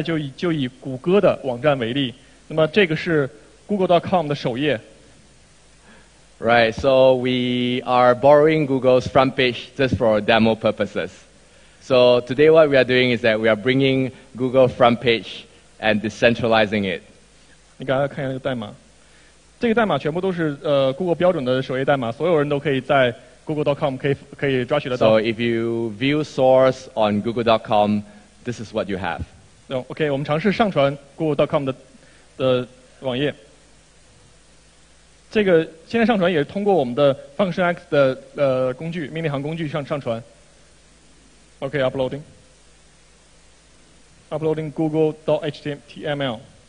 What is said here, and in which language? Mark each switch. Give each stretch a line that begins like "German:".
Chinese: 对，网站的那个网站去中心化呢，现在开始演示。我们之前尝试呢，将所有的网站怎么样去能够快速的去中心化。那么我们找到了一个方案，其实非常简单。我们现在就以谷歌的网站为例，那么这个是 google.com 的首页。
English: Right, so we are borrowing Google's front page just for demo purposes. So today what we are doing is that we are bringing Google front page and decentralizing it.
Chinese: 你刚才看一下这个代码。这个代码全部都是 Google标准的首页代码, 所有人都可以在 Google.com 可以抓取得到。
English: So if you view source on Google.com, this is what you have.
Chinese: Okay, 我们尝试上传 Google.com的网页。这个现在上传也是通过我们的 function x 的工具命令行工具上传。
English: Okay, uploading. Uploading google.html.